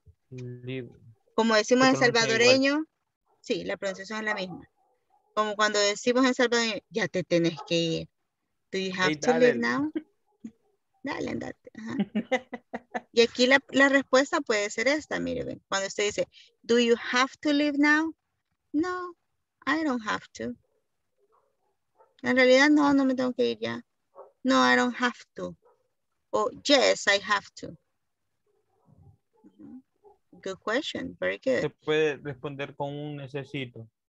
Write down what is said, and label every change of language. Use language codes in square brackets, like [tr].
[en] Live. [es] Como decimos en salvadoreño, igual. Sí, la pronunciación es la misma. Como cuando decimos en salvadoreño, ya te tenés que ir. [en] Do you have to live now? [es] Dale, andate. Ajá. Y aquí la respuesta puede ser esta, mire, ven. Cuando usted dice, [en] do you have to leave now? No, I don't have to. [es] En realidad, no, no me tengo que ir ya. [en] No, I don't have to. [es] O, [en] yes, I have to. Good question, very good. [es] Se puede responder con un necesito.